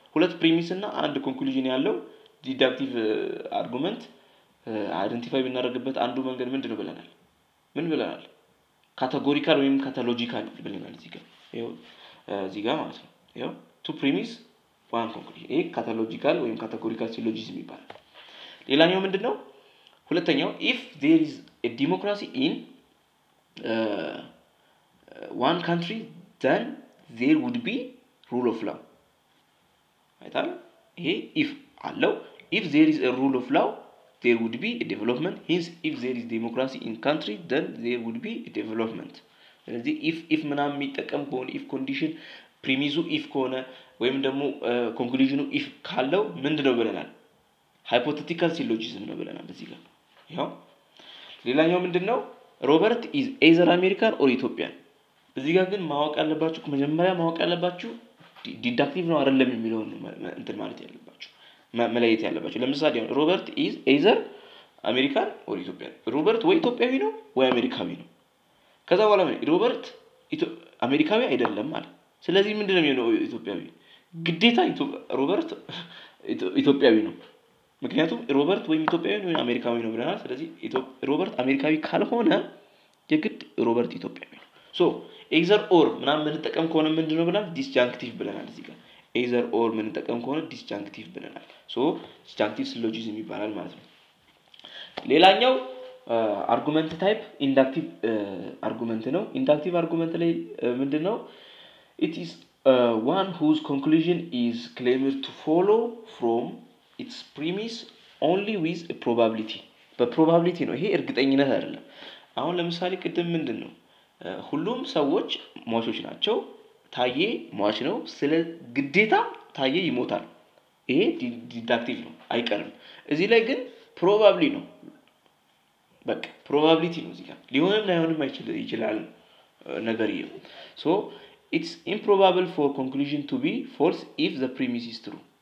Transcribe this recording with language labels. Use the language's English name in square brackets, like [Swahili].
[Amharic] ሁለት ፕሪሚስ እና አንድ ኮንክሉዥን ያለው ዲዳክቲቭ አርጉመንት አይደንቲፋይ ብናደርግበት አንዱ መንገድ ምንድነው ብለናል? ምን ብለናል? ካታጎሪካል ወይም ካታሎጂካል ብለናል እዚህ ጋር. ይሄው እዚህ ጋር ማለት ነው. ይሄው ቱ ፕሪሚስ ዋን ኮንክሉዥን. ይሄ ካታሎጂካል ወይም ካታጎሪካል ሲሎጂዝም ይባላል. ሌላኛው ምንድነው? [English] ሁለተኛው if there is a democracy in one country then there would be rule of law. አይታል? [Amharic] ይሄ if አለው. [English] if there is a rule of law there would be a development, hence if there is democracy in country then there would be a development. [Amharic] ስለዚህ if ምናም የሚጠቀም ከሆነ if condition premise if ከሆነ ወይም ደግሞ conclusionው if ካለው ምንድነው ብለናል? hypothetical syllogism ነው ብለናል እዚህ ጋር. ያው ሌላኛው ምንድነው? [English] Robert is either American or Ethiopian. [Amharic] እዚህ ጋር ግን ማወቅ ያለባችሁ መጀመሪያ ማወቅ ያለባችሁ deductive ነው አይደለም የሚለው እንትን ማለት ያለባችሁ መለየት ያለባችሁ. [English] ለምሳሌ ሮበርት ኢዝ ኤዘር አሜሪካን ኦር ኢትዮጵያን. [Amharic] ሮበርት ወይ ኢትዮጵያዊ ነው ወይ አሜሪካዊ ነው. ከዛ በኋላ ምን ሮበርት አሜሪካዊ አይደለም ማለት? ስለዚህ ምንድነው የሚሆነው? ኢትዮጵያዊ ግዴታ ሮበርት ኢትዮጵያዊ ነው. ምክንያቱም ሮበርት ወይ ኢትዮጵያዊ ነው ወይ አሜሪካዊ ነው ብለናል. ስለዚህ ሮበርት አሜሪካዊ ካልሆነ የግድ ሮበርት ኢትዮጵያዊ ነው. ሶ ኤዘር ኦር ምናምን እንጠቀም ከሆነ ምንድነው ብለናል? ዲስጃንክቲቭ ብለናል እዚህ ጋር. either or ምን ተጠቀም ከሆነ disjunctive ብለናል. so disjunctive syllogism ይባላል ማለት ነው. ሌላኛው argument type inductive argument ነው. inductive argument ላይ ምንድነው? [English] it is one whose conclusion is claimed to follow from its premise only with a probability. [Amharic] በprobability ነው ይሄ, እርግጠኝነት አይደለም. አሁን ለምሳሌ ቅድም ምንድነው? ሁሉም ሰዎች ሟቾች ናቸው. ታዬ ሟች ነው, ስለ ግዴታ ታዬ ይሞታል. ይሄ ዲዳክቲቭ ነው አይቀርም. እዚህ ላይ ግን ፕሮባብሊ ነው, በቃ ፕሮባቢሊቲ ነው እዚህ ጋር. ሊሆንም ላይሆንም ይችላል ነገር ይሄ. ሶ [English] It's improbable for conclusion to be false if the premise is true.